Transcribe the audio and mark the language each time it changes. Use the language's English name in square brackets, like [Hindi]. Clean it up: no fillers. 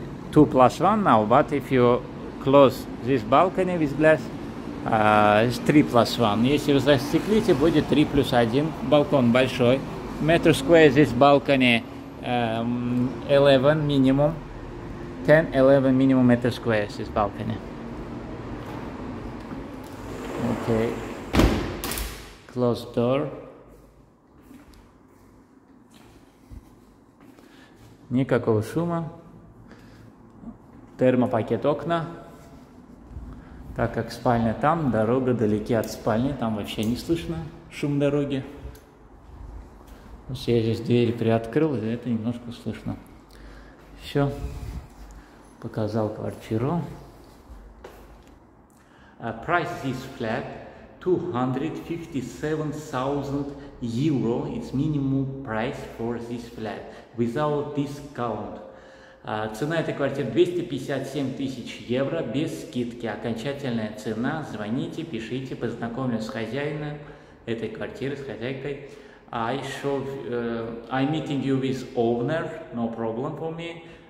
[English] 2+1 now, but if you close this balcony with glass, с 3+1. [Russian] Если вы застеклите, будет 3+1. Балкон большой. Метр сквер здесь балконе 11 минимум. 10-11 минимум метр сквер здесь балконе. [English] Окей. Closed door. [Russian] Никакого шума. Термопакет окна. Так как спальня там, дорога далеки от спальни, там вообще не слышно шум дороги. Я здесь дверь приоткрыл, и это немножко слышно. Все, показал квартиру. [English] Price this flat 257,000 euro. It's minimum price for this flat without discount. [Russian] Цена этой квартиры 257 000 евро без скидки. Окончательная цена. Звоните, пишите, познакомлюсь с хозяином этой квартиры, с хозяйкой. [English] I show, I'm meeting you with owner, no problem for me.